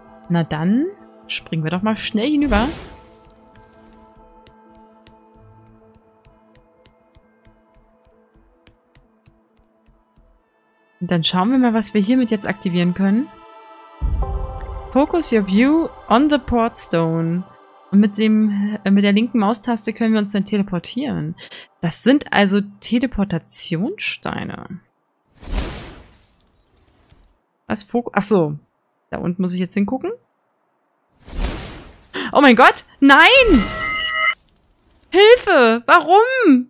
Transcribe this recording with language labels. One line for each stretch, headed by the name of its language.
German: Na dann springen wir doch mal schnell hinüber. Dann schauen wir mal, was wir hiermit jetzt aktivieren können.
English: Focus your view on the port stone.
German: Und mit der linken Maustaste können wir uns dann teleportieren. Das sind also Teleportationssteine. Was? Fokus? Achso. Da unten muss ich jetzt hingucken. Oh mein Gott! Nein! Hilfe! Warum?